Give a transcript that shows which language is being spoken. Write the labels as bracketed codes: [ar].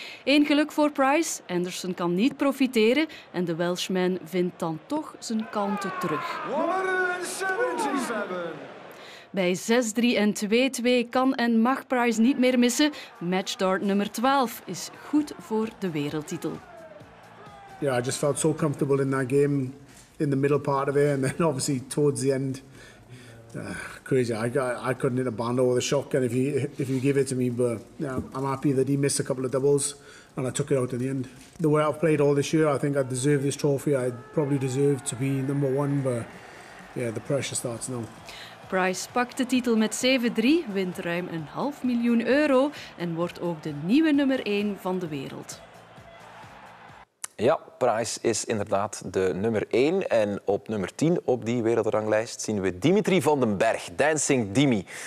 [nl] 1 geluk voor Price. Anderson kan niet profiteren en de Welshman vindt dan toch zijn kalmte terug. 177. Bij 6-3 en 2-2 kan en mag Price niet meer missen. Matchdart nummer 12 is goed voor de wereldtitel. [en] Yeah, I just felt so comfortable in that game in the middle part of it and then obviously towards the end. Crazy. I couldn't hit a band over the shock and if you give it to me, but yeah, I'm happy that he missed a couple of doubles. And I took it out in the end. The way I've played all this year, I think I deserve this trophy. I probably deserve to be number one, but yeah, the pressure starts now. [nl] Price pakt de titel met 7-3, wint ruim €500.000 en wordt ook de nieuwe nummer 1 van de wereld. Ja, Price is inderdaad de nummer 1. En op nummer 10 op die wereldranglijst zien we Dimitri van den Berg, Dancing Dimi.